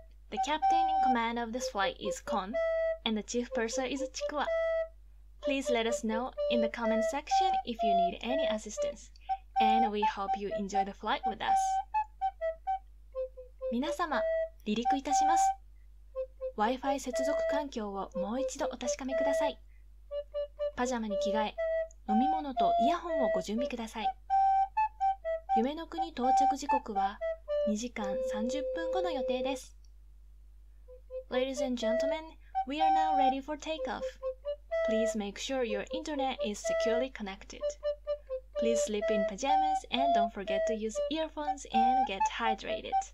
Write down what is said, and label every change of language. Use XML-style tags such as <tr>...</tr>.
<en>The captain in command of this flight is Kon, and the chief purser is Chikuwa. Please let us know in the comment section if you need any assistance, and we hope you enjoy the flight with us.</en> <ja>皆様、離陸いたします。 Wi-Fi 接続環境をもう一度お確かめください。パジャマに着替え、飲み物とイヤホンをご準備ください。夢の国到着時刻は2時間30分後の予定です。</ja> <en>Ladies and gentlemen, we are now ready for takeoff. Please make sure your internet is securely connected. Please sleep in pajamas and don't forget to use earphones and get hydrated.</en>